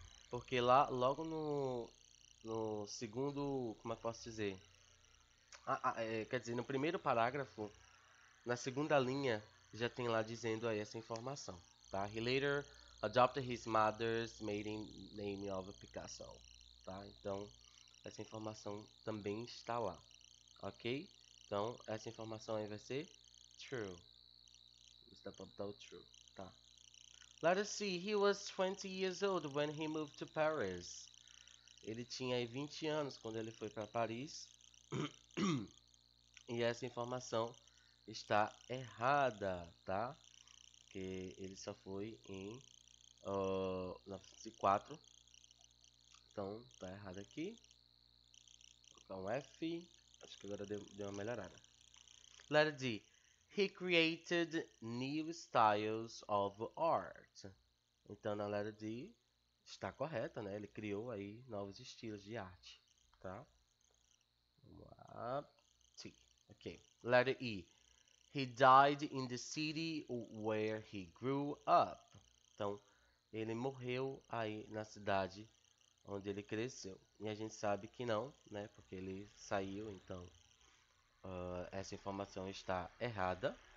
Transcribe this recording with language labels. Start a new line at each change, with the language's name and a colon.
Portuguese: Porque lá, logo no segundo, como é que posso dizer? Quer dizer, no primeiro parágrafo, na segunda linha, já tem lá dizendo aí essa informação, tá?
English: He later adopted his mother's maiden name of Picasso, tá?
Portuguese: Então, essa informação também está lá, ok? Então, essa informação aí vai ser true. Você dá pra botar o true, tá?
English: Let us see, he was 20 years old when he moved to Paris.
Portuguese: Ele tinha aí 20 anos quando ele foi para Paris. E essa informação está errada, tá? Que ele só foi em 94. Então, tá errado aqui. Vou colocar um F. Acho que agora deu uma melhorada.
English: Letter D. He created new styles of art.
Portuguese: Então, na letra D, está correta, né? Ele criou aí novos estilos de arte, tá? Vamos lá. T. Ok.
English: Letter E. He died in the city where he grew up.
Portuguese: Então, ele morreu aí na cidade onde ele cresceu. E a gente sabe que não, né? Porque ele saiu, então. Essa informação está errada.